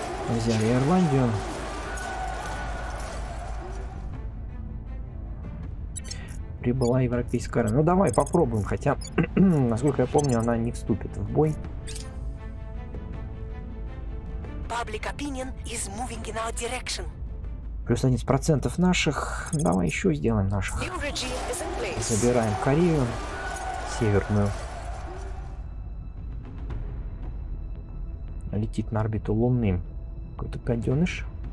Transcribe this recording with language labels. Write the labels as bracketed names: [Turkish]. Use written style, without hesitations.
[Russian] Взяли Ирландию. Прибыла европейская армия. Ну давай, попробуем. Хотя, насколько я помню, она не вступит в бой. [English] Public opinion is moving in our direction. [Russian] Плюс 11% наших. Давай еще сделаем наших. Забираем Корею. Северную. Летит на орбиту Луны. Какой-то гаденыш.